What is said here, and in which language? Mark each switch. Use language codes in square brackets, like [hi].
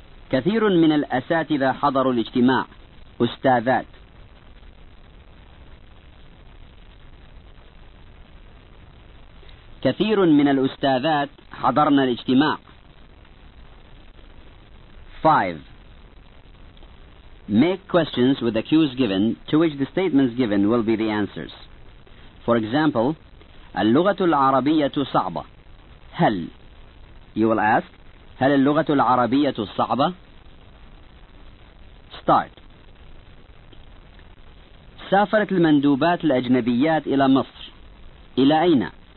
[ar] كثير من الأساتذة حضروا الاجتماع. أستاذات. كثير من الأستاذات حضرنا الاجتماع. 5. [en] Make questions with the cues given to which the statements given will be the answers. For example, [ar] اللغة العربية صعبة. هل? [en] You will ask, [ar] هل اللغة العربية صعبة? [en] Start. [ar] سافرت المندوبات الأجنبيات إلى مصر. إلى أين?